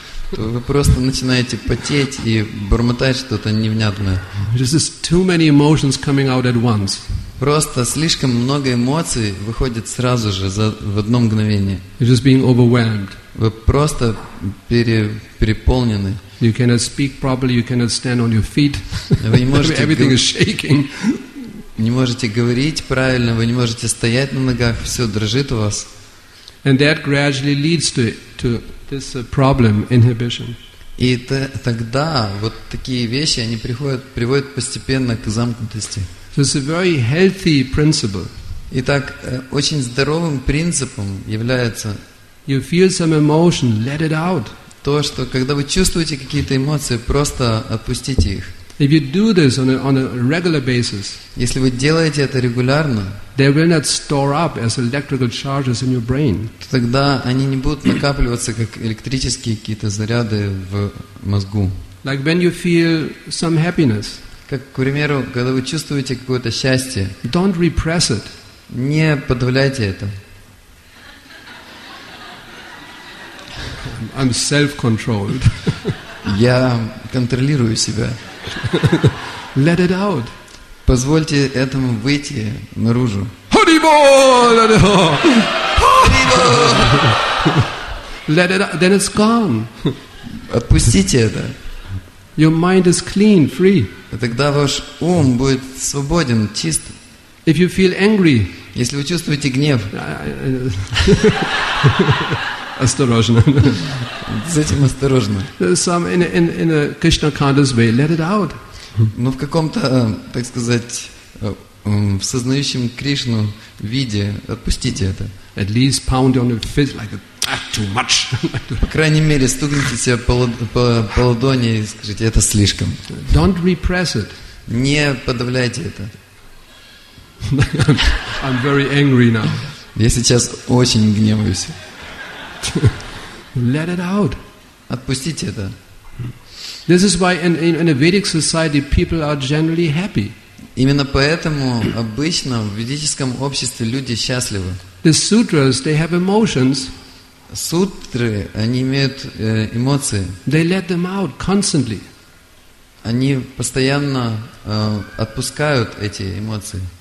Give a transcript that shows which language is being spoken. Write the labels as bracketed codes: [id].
[ru] То вы просто начинаете потеть и бормотать что-то невнятное. [en] Just too many emotions coming out at once. [ru] Просто слишком много эмоций выходит сразу же в одно мгновение. [en] You're just being overwhelmed. [ru] Вы просто переполнены. [en] You cannot speak properly, you cannot stand on your feet. [ru] Вы не можете [en] Everything is shaking. [ru] Не можете говорить правильно, вы не можете стоять на ногах, все дрожит у вас. [en] And that gradually leads to this problem, inhibition. [ru] И тогда вот такие вещи, они приводят постепенно к замкнутости. [en] So it's a very healthy principle. [ru] Итак, очень здоровым принципом является [en] you feel some emotion, let it out. [ru] То, что когда вы чувствуете какие-то эмоции, просто отпустите их. [en] If you do this on a regular basis, [ru] если вы делаете это регулярно, [en] they will not store up as electrical charges in your brain. [ru] Тогда они не будут накапливаться как электрические какие-то заряды в мозгу. [en] Like when you feel some happiness. [ru] Как, к примеру, когда вы чувствуете какое-то счастье, [en] don't repress it. [ru] Не подавляйте это. [en] I'm self-controlled. [ru] Я контролирую себя. [en] Let it out. [ru] Позвольте этому выйти наружу. [en] Honeyball! Let it out. Let it out. Then it's gone. [ru] Отпустите это. [en] Your mind is clean, free. [ru] Тогда ваш ум будет свободен, чист. [en] If you feel angry, [ru] если вы чувствуете гнев, осторожно. С этим осторожно. [en] Some in a Krishna conscious way, let it out. [ru] Но в каком-то, так сказать, в сознающем Кришну виде отпустите это. [en] At least pound on your fist like too much. [ru] По крайней мере, стукните себя по ладони и скажите, это слишком. [en] Don't repress it. [ru] Не подавляйте это. [en] I'm very angry now. [ru] Я сейчас очень гневаюсь. [en] Let it out. [ru] Отпустите это. [en] This is why in a Vedic society people are generally happy. [ru] Именно поэтому обычно в ведическом обществе люди счастливы. [en] The sutras, they have emotions. [ru] Сутры, они имеют эмоции. [en] They let them out constantly. [ru] Они постоянно отпускают эти эмоции.